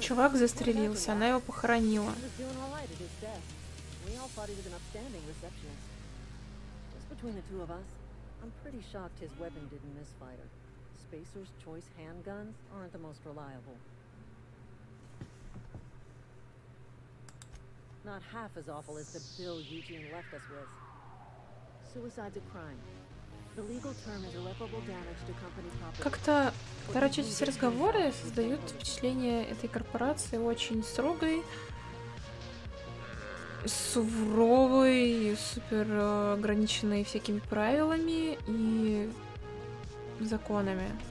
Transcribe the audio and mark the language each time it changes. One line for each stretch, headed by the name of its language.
Russian: Чувак застрелился, она его похоронила.
English: He was doing all right at his desk. We all thought he was an upstanding receptionist. Just between the two of us, I'm pretty shocked his weapon didn't misfire. Spacer's choice handguns aren't the most reliable. Not half as awful as the bill Eugene left us with. Suicide's a crime. The legal term is irreparable damage to company property.
Russian: Как-то дорочить все разговоры создают впечатление этой корпорации очень строгой, суровой, супер ограниченной всякими правилами и законами.